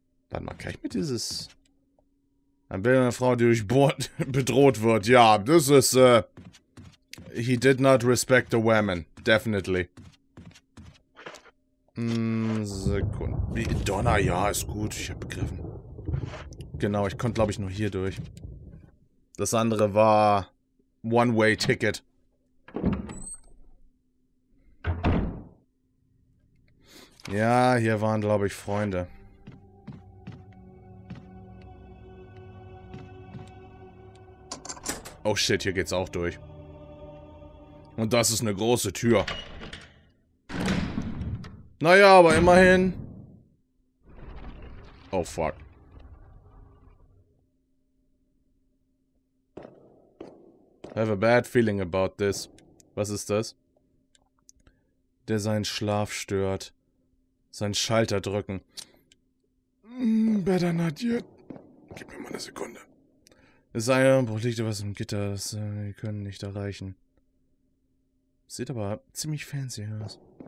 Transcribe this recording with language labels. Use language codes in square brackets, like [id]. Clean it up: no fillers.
[de] Warte mal, kann ich mit dieses... Ein Bild einer Frau, die durchbohrt, bedroht wird. Ja, das ist, [en] he did not respect the women. Definitely. [de] Sekunde. Donner, ja, ist gut. Ich hab begriffen. Genau, ich konnte, glaube ich, nur hier durch. Das andere war... One-Way-Ticket. Ja, hier waren, glaube ich, Freunde. [en] Oh shit, [de] hier geht's auch durch. Und das ist eine große Tür. Naja, aber immerhin. [en] Oh fuck. I have a bad feeling about this. [de] Was ist das? Der seinen Schlaf stört. Seinen Schalter drücken. [en] Better not yet. [de] Gib mir mal eine Sekunde. Es sei denn, wo liegt was im Gitter, das wir können nicht erreichen. Sieht aber ziemlich fancy aus.